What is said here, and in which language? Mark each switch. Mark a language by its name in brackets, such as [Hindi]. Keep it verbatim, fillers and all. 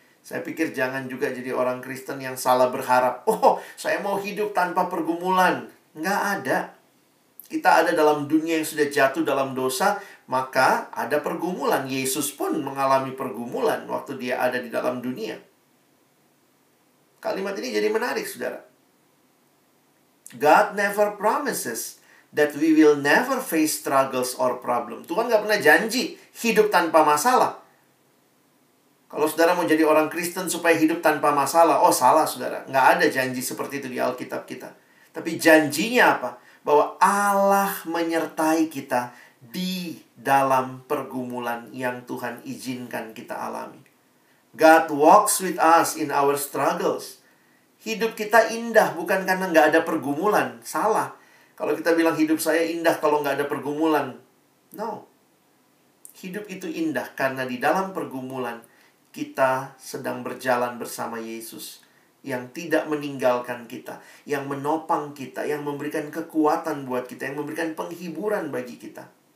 [Indonesian] Saya pikir jangan juga jadi orang Kristen yang salah berharap, oh, saya mau hidup tanpa pergumulan. Gak ada. Kita ada dalam dunia yang sudah jatuh dalam dosa, maka ada pergumulan. Yesus pun mengalami pergumulan waktu dia ada di dalam dunia. Kalimat ini jadi menarik, saudara. [English] God never promises that we will never face struggles or problem. [Indonesian] Tuhan gak pernah janji hidup tanpa masalah. Kalau saudara mau jadi orang Kristen supaya hidup tanpa masalah, oh salah, saudara. Gak ada janji seperti itu di Alkitab kita. Tapi janjinya apa? Bahwa Allah menyertai kita di dalam pergumulan yang Tuhan izinkan kita alami. [English] God walks with us in our struggles. [Indonesian] Hidup kita indah bukan karena nggak ada pergumulan. Salah. Kalau kita bilang hidup saya indah kalau nggak ada pergumulan. No. Hidup itu indah karena di dalam pergumulan kita sedang berjalan bersama Yesus. yang tidak meninggalkan kita, yang menopang kita, yang memberikan kekuatan buat kita, yang memberikan penghiburan bagi kita.